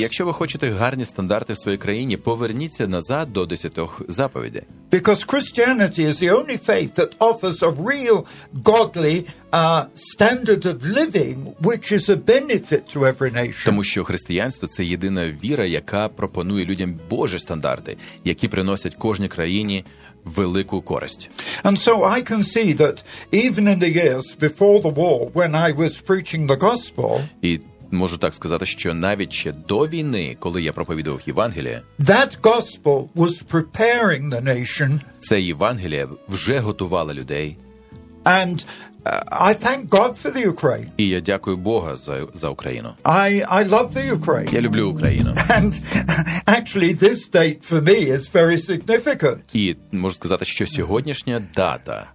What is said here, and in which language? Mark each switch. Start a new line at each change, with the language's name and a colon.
Ukrainian: І якщо ви хочете гарні стандарти в своїй країні, поверніться назад до 10 заповідей.
English: Because Christianity is the only faith that offers a real godly standard of living, which is a benefit to every nation.
Ukrainian: Тому що християнство – це єдина віра, яка пропонує людям Божі стандарти, які приносять кожній країні велику користь.
English: And so I can see that even in the years before the war, when I was preaching the gospel,
Ukrainian: і можу так сказати, що навіть ще до війни, коли я проповідував Євангеліє,
English: that gospel was preparing the nation.
Ukrainian: Це Євангеліє вже готувало людей.
English: And I thank God for the Ukraine.
Ukrainian: І я дякую Бога за Україну.
English: I love the Ukraine.
Ukrainian: Я люблю Україну.
English: And actually this date for me is very significant.
Ukrainian: І можу сказати, що сьогоднішня дата